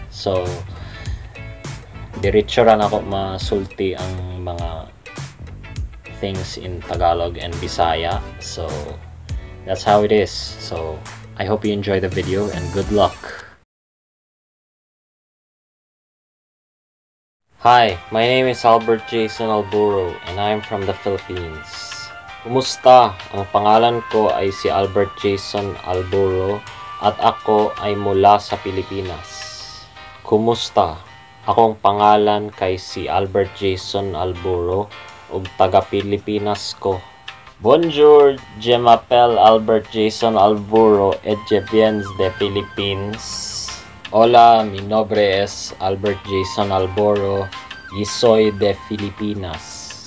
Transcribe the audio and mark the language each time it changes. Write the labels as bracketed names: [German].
[Cebuano] So diretso ra na ako masulti ang mga things in Tagalog and Bisaya. [English] So that's how it is. So I hope you enjoy the video and good luck. Hi, my name is Albert Jason Alburo and I'm from the Philippines. [Filipino] Kumusta? Ang pangalan ko ay si Albert Jason Alburo at ako ay mula sa Pilipinas. [Cebuano] Kumusta? Akong pangalan kay si Albert Jason Alburo ug taga-Pilipinas ko. [French] Bonjour, je m'appelle Albert Jason Alburo et je viens de Philippines. [Spanish] Hola, mi nombre es Albert Jason Alburo y soy de Filipinas.